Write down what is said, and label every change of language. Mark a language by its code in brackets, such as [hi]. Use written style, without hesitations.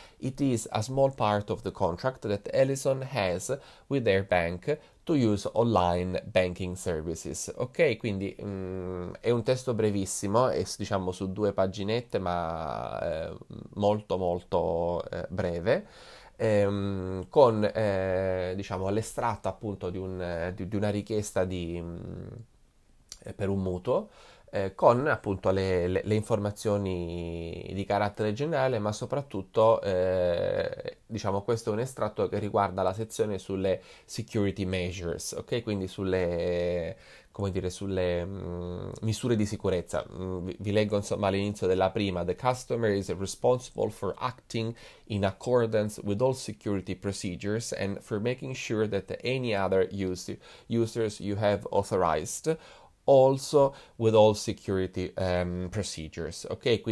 [en] It is a small part of the contract that Ellison has with their bank to use online banking services. [it] Ok, quindi è un testo brevissimo, è diciamo su due paginette, ma molto molto breve. Con diciamo l'estratto appunto di una richiesta per un mutuo, con appunto le informazioni di carattere generale, ma soprattutto diciamo questo è un estratto che riguarda la sezione sulle security measures, ok? Quindi sulle, come dire, sulle misure di sicurezza. Vi leggo insomma all'inizio della prima: [en] The customer is responsible for acting in accordance with all security procedures and for making sure that any other users you have authorized also with all security procedures, ok?